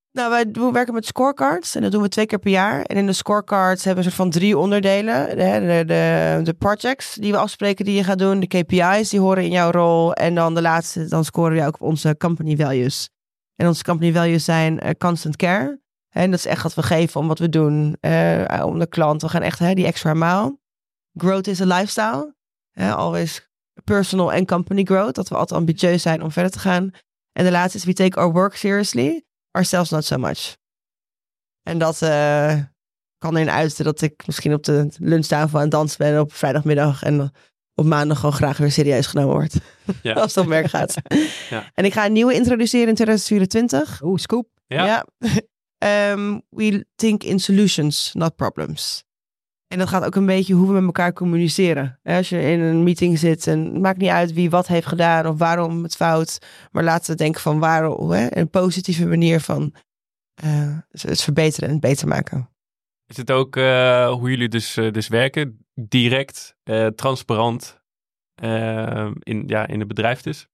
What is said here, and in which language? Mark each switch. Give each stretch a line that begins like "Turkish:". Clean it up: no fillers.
Dutch: Nou, wij werken met scorecards en dat doen we 2 keer per jaar. En in de scorecards hebben we een soort van 3 onderdelen. De projects die we afspreken die je gaat doen. De KPIs die horen in jouw rol. En dan de laatste, dan scoren we ook op onze company values. En onze company values zijn constant care. En dat is echt wat we geven om wat we doen. Om de klant. We gaan echt die extra maal.
English: Growth is a lifestyle. Always personal and company growth.
Dutch: Dat we altijd ambitieus zijn om verder te gaan. En de laatste is
English: we take our work seriously. Ourselves not so much.
Dutch: En dat kan erin uiten dat ik misschien op de lunchtafel aan het dansen ben op vrijdagmiddag en op maandag gewoon graag weer serieus genomen word. Ja. Als het op werk gaat. Ja. En ik ga een nieuwe introduceren in 2024. Oeh, scoop. Ja.
English: We think in solutions, not problems.
Dutch: En dat gaat ook een beetje hoe we met elkaar communiceren. Als je in een meeting zit en het maakt niet uit wie wat heeft gedaan of waarom het fout. Maar laten we denken van waarom, een positieve manier van het verbeteren en het beter maken. Is het ook hoe jullie dus werken? Direct, transparant in het bedrijf dus?